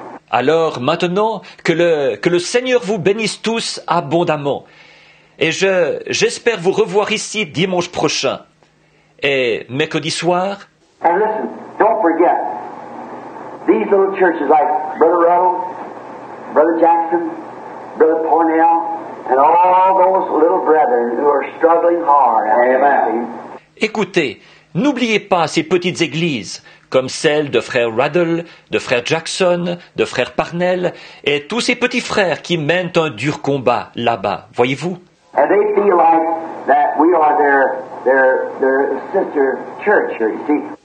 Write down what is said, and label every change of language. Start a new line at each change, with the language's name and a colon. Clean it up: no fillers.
French: Alors, maintenant, que le Seigneur vous bénisse tous abondamment. Et j'espère vous revoir ici dimanche prochain. Et mercredi soir.
English: And listen, don't forget. These little churches like Brother Ruddle, Brother Jackson, Brother Pornell, and all those little brethren who are struggling hard. Amen.
French: Écoutez, n'oubliez pas ces petites églises, comme celle de Frère Ruddle, de Frère Jackson, de Frère Parnell, et tous ces petits frères qui mènent un dur combat là-bas, voyez-vous?
English: And they feel like that we are their sister church, you see.